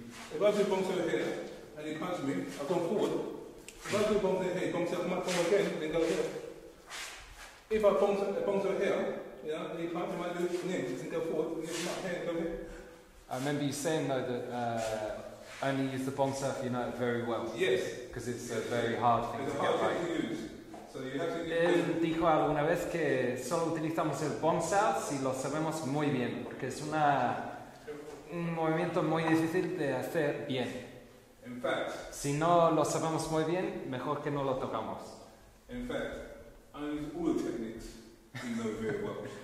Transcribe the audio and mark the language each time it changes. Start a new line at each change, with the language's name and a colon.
English: If I do bongs over here and he punched me, I've gone forward. If I do bongs over here, bongs might come again and go here. If I bongs over here, you know, and he punched me, I do it and go forward, and he's not here and go here. I remember you saying though that only use the bongs if you know it very well. Yes. Because it's a very hard thing it's to get right. To use.
Spanish: Él dijo alguna vez que solo utilizamos el bounce out si lo sabemos muy bien, porque es un movimiento muy difícil de hacer bien.
English: In fact,
Spanish: si no lo sabemos muy bien, mejor que no lo tocamos.
English: In fact, I use all the techniques you know very well.